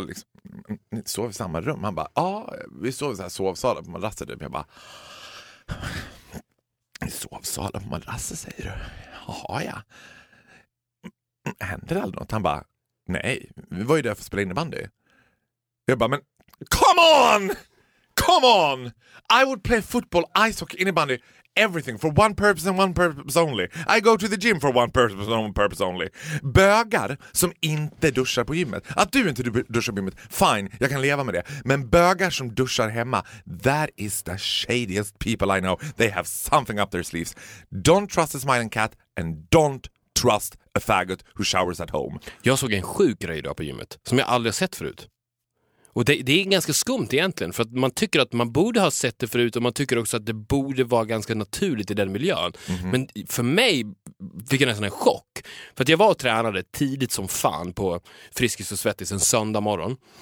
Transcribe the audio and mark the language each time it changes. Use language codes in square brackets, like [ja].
[sv] Liksom, ni sov i samma rum. Han bara, ja, vi sov i så här sovsalen på madrasser. Jag bara, i sovsalen på madrasser, säger du? Jaha, ja. Händer det aldrig något? Han bara, nej, vi var ju där för att spela innebandy. Jag bara, men [en] come on! Come on! I would play football, ice hockey, innebandy, everything for one purpose and one purpose only. I go to the gym for one purpose and one purpose only. [sv] Bögar som inte duschar på gymmet. Att du inte duschar på gymmet, fine, jag kan leva med det. Men bögar som duschar hemma, [en] that is the shadiest people I know. They have something up their sleeves. Don't trust a smiling cat and don't trust a faggot who showers at home. [sv] Jag såg en sjuk grej idag på gymmet som jag aldrig sett förut. Och det är ganska skumt egentligen, för att man tycker att man borde ha sett det förut och man tycker också att det borde vara ganska naturligt i den miljön. Mm-hmm. Men för mig fick jag nästan en chock. För att jag var och tränade tidigt som fan på Friskis och Svettis en söndag morgon.